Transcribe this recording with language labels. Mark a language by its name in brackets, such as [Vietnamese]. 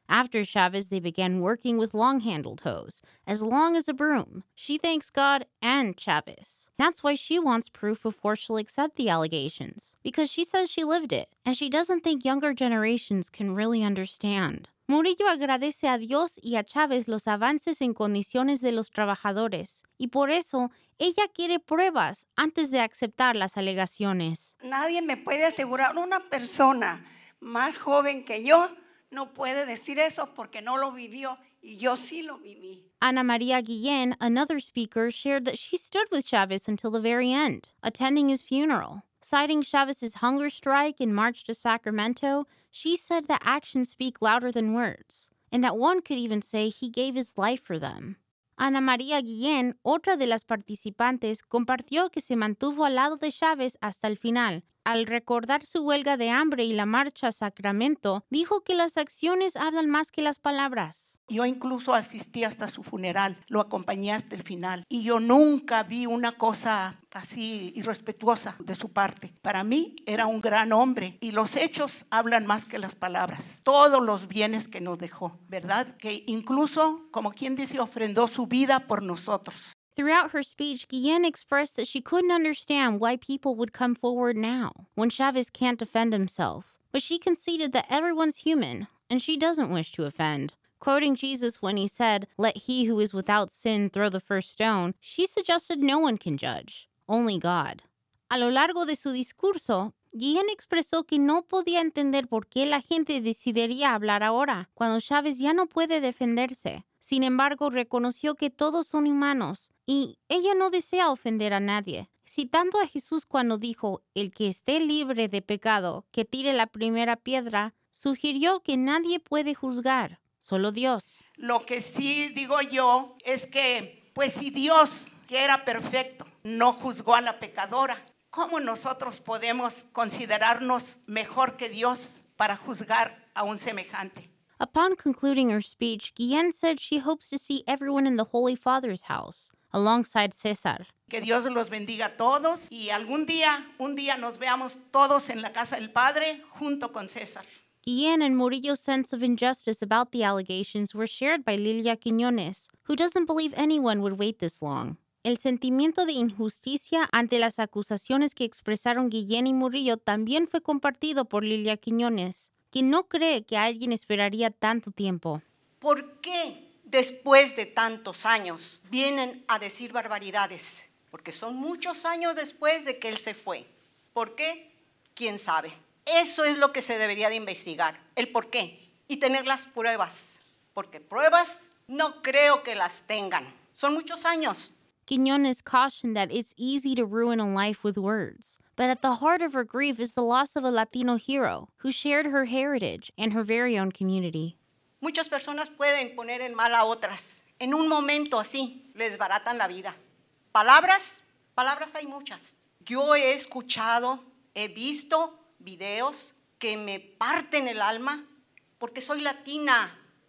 [English] After Chavez, they began working with long-handled hose, as long as a broom. She thanks God and Chavez. That's why she wants proof before she'll accept the allegations, because she says she lived it, and she doesn't think younger generations can really understand. [Spanish] Murillo agradece a Dios y a Chávez los avances en condiciones de los trabajadores, y por eso ella quiere pruebas antes de aceptar las alegaciones. Nadie me puede asegurar, una persona más joven que yo no puede decir eso porque no lo vivió, y yo sí lo viví. [English] Ana María Guillén, another speaker, shared that she stood with Chávez until the very end, attending his funeral. Citing Chavez's hunger strike and march to Sacramento, she said that actions speak louder than words, and that one could even say he gave his life for them. [Spanish] Ana María Guillén, otra de las participantes, compartió que se mantuvo al lado de Chavez hasta el final. Al recordar su huelga de hambre y la marcha a Sacramento, dijo que las acciones hablan más que las palabras. Yo incluso asistí hasta su funeral, lo acompañé hasta el final, y yo nunca vi una cosa así irrespetuosa de su parte. Para mí era un gran hombre, y los hechos hablan más que las palabras. Todos los bienes que nos dejó, ¿verdad? Que incluso, como quien dice, ofrendó su vida por nosotros. [English] Throughout her speech, Guillén expressed that she couldn't understand why people would come forward now, when Chavez can't defend himself. But she conceded that everyone's human, and she doesn't wish to offend. Quoting Jesus when he said, "Let he who is without sin throw the first stone," she suggested no one can judge, only God. [Spanish] A lo largo de su discurso, Guillén expresó que no podía entender por qué la gente decidiría hablar ahora, cuando Chavez ya no puede defenderse. Sin embargo, reconoció que todos son humanos, y ella no desea ofender a nadie, citando a Jesús cuando dijo, "El que esté libre de pecado, que tire la primera piedra", sugirió que nadie puede juzgar, solo Dios. Lo que sí digo yo es que, pues si Dios, que era perfecto, no juzgó a la pecadora, ¿cómo nosotros podemos considerarnos mejor que Dios para juzgar a un semejante? [English] Upon concluding her speech, Guillén said she hopes to see everyone in the Holy Father's house, alongside César. [Spanish] Que Dios los bendiga a todos y algún día, un día nos veamos todos en la casa del Padre junto con César. [English] Guillén and Murillo's sense of injustice about the allegations were shared by Lilia Quiñones, who doesn't believe anyone would wait this long. [Spanish] El sentimiento de injusticia ante las acusaciones que expresaron Guillén y Murillo también fue compartido por Lilia Quiñones, quien no cree que alguien esperaría tanto tiempo. ¿Por qué después de tantos años vienen a decir barbaridades? Porque son muchos años después de que él se fue. ¿Por qué? ¿Quién sabe? Eso es lo que se debería de investigar, el por qué, y tener las pruebas. Porque pruebas no creo que las tengan. Son muchos años. [English] Quiñones cautioned that it's easy to ruin a life with words. But at the heart of her grief is the loss of a Latino hero who shared her heritage and her very own community. [Spanish] Muchas personas pueden poner en mal a otras. En un momento así, les baratan la vida. Palabras, palabras hay muchas. Yo he escuchado, he visto videos que me parten el alma porque soy latina.